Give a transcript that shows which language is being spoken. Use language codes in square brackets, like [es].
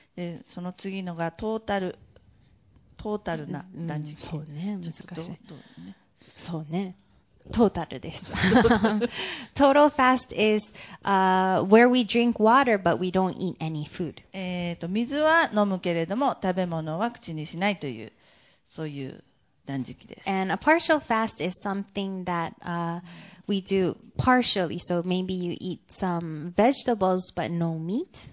[ja] でその次のがトータルな断食、うん、そうね難しい、そうねトータルです。 [en] Total fast is where we drink water but we don't eat any food。 [ja] 水は飲むけれども食べ物は口にしないというそういう断食です。 [en] And a partial fast is something that we do partially. So maybe you eat some vegetables but no meat。